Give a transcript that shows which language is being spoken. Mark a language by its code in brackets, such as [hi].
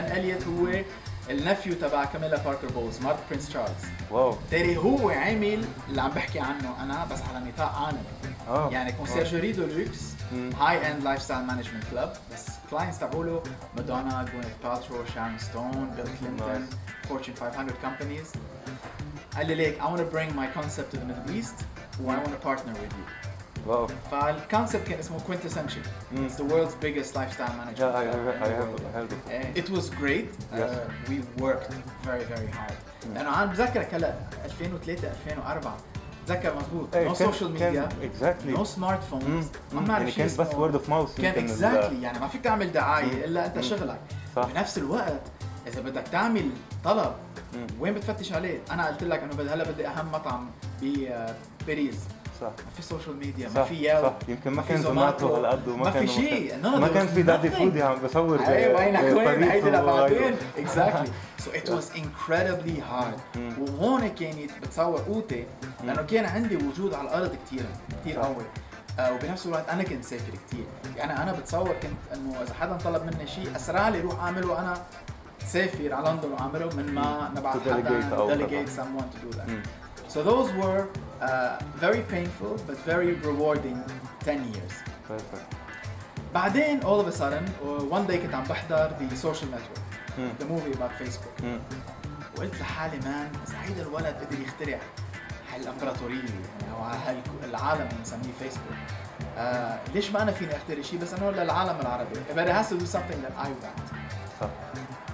[ar] بن إليوت هو النفيو تبع كاميلا باركر بولز مرت برنس تشارلز. واو. تاري هو عامل اللي عم بحكي عنه أنا بس على نطاق عالمي. يعني كونسيرجوري دو لوكس هاي إند لايف ستايل مانجمنت كلوب بس كلاينتس تبعوله مادونا، جوينيث باترو، شارون ستون، بيل كلينتون، فورتشن 500 كومبانيز. قال لي ليك [en] I want to bring my concept to the Middle East and I want to partner with you. Wow. [ar] فالكونسيبت كان اسمه Quintessential. [en] It's the world's biggest lifestyle manager. Yeah, I have it was great. Yes. We worked very very hard. [ar] لأنه أنا بذكر كلا 2003 2004 بذكر مضبوط. [en] No social media. Exactly. No smartphones. [ar] يعني كان بس [en] word of mouth. [ar] كان exactly يعني ما فيك تعمل دعاية إلا أنت شغلك. بنفس الوقت إذا بدك تعمل طلب وين بتفتش عليه؟ أنا قلت لك إنه هلا بدي أهم مطعم بباريس. صح. ما في سوشيال ميديا صح. ما في يلا يمكن ما كان زوماتو هالقد وما كان ما في شيء ما كان في دادي فودي عم بصور ايه وينك وين هيدي لبعدين اكزاكتلي [en] So it was incredibly hard. [ar] وهون كانت بتصور قوتي لأنه كان عندي وجود على الأرض كتير كتير قوي. وبنفس الوقت أنا كنت سافر كتير. يعني أنا بتصور كنت إنه إذا حدا طلب مني شيء أسرع لي روح أعمله أنا سافر على لندن وعمله من ما نبعث حدا [en] delegate someone to do that. So those were very painful but very rewarding 10 years. بعدين all of a sudden one day [ar] كنت عم بحضر [en] the social network. The movie about Facebook. [ar] وقلت لحالي مان إذا هيدا الولد قدر يخترع هالإمبراطورية أو هالعالم نسميه Facebook. ليش ما أنا فيني أخترع شيء بس أنا أقول للعالم العربي. [en] But it has to do something that I want.